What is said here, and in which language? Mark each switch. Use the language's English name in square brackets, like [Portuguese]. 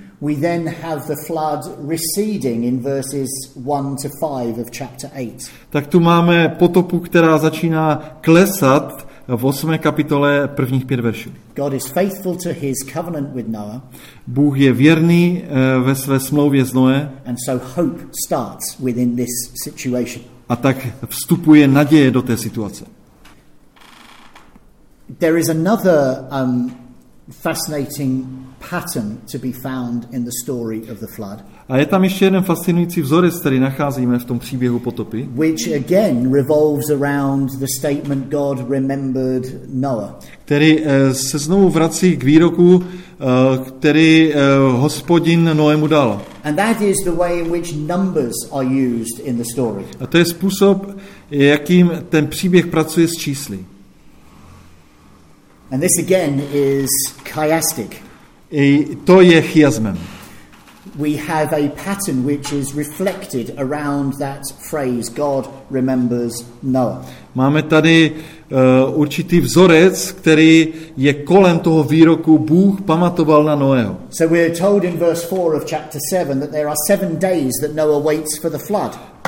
[English] We then have the flood receding in verses 1 to 5 of chapter 8. [Czech] Tak tu máme potopu, která začíná klesat v 8. kapitole prvních 5 veršů. [English] God is faithful to his covenant with Noah. [Czech] Bůh je věrný ve své smlouvě s Noé. [English] And so hope starts within this situation. [Czech] A tak vstupuje naděje do té situace. [English] There is another fascinating pattern to be found in the story of the flood. [Czech] A je tam ještě jeden fascinující vzorec, který nacházíme v tom příběhu potopy. [English] Which again revolves around the statement God remembered Noah. [Czech] Který se znovu vrací k výroku, který Hospodin Noému dal. [English] And that is the way in which numbers are used in the story. [Czech] A to je způsob, jakým ten příběh pracuje s čísly. [English] And this again is chiastic. [Czech] I to je chiasmem. [English] We have a pattern which is reflected around that phrase God remembers Noah. [Czech] Máme tady určitý vzorec, který je kolem toho výroku Bůh pamatoval na Noého. [English] So we are told in verse 4 of chapter 7 that there are 7 days that Noah waits for the flood.